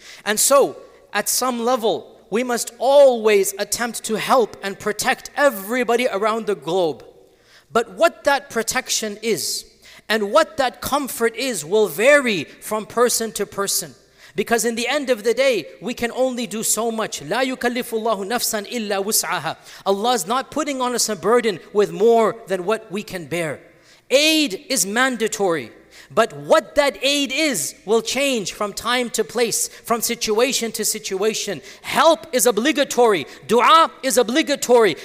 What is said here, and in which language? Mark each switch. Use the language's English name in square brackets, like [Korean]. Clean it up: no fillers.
[English] And so, at some level, we must always attempt to help and protect everybody around the globe. But what that protection is and what that comfort is will vary from person to person. Because in the end of the day, we can only do so much. [Arabic] لا يكلف الله نفسا إلا وسعها. [English] Allah is not putting on us a burden with more than what we can bear. Aid is mandatory. But what that aid is will change from time to place, from situation to situation. Help is obligatory. Dua is obligatory.